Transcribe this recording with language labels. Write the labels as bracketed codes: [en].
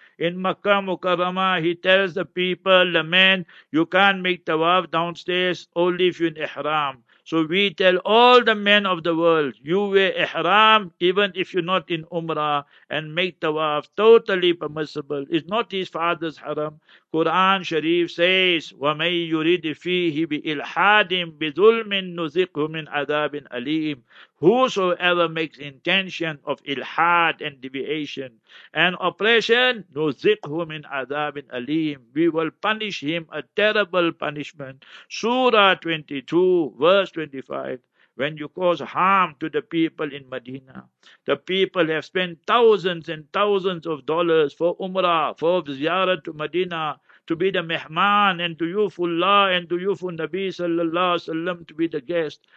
[en] In Makkah Mukarramah, he tells the people, the man, you can't make tawaf downstairs, only if you're in ihram. So we tell all the men of the world, you wear ihram even if you're not in Umrah, and make tawaf totally permissible. It's not his father's haram. Quran Sharif says, [ar] وَمَن يُرِدْ فِيهِ بِإِلْحَادٍ بِظُلْمٍ نُزِقْهُ مِنْ عَذَابٍ أَلِيمٍ. [en] Whosoever makes intention of ilhad and deviation and oppression, [ar] نُزِقْهُ مِنْ عَذَابٍ أَلِيمٍ. [en] We will punish him a terrible punishment. Surah 22, verse 25. When you cause harm to the people in Medina, the people have spent thousands and thousands of dollars for Umrah, for Ziyarah to Medina, to be the mihman and to yufullah and to yufu Nabi sallallahu alaihi wasallam, to be the guest.